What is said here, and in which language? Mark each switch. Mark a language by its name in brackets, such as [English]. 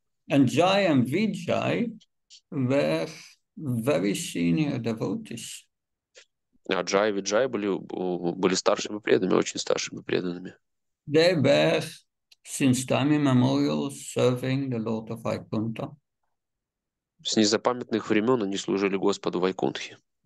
[English] And Jai and Vijay were very senior devotees. [Russian] А Джай и Виджай были старшими преданными, очень старшими преданными. [English] They were, since time immemorial, serving the Lord of Vaikuntha. [Russian] С незапамятных времен они служили Господу Вайкунтхе.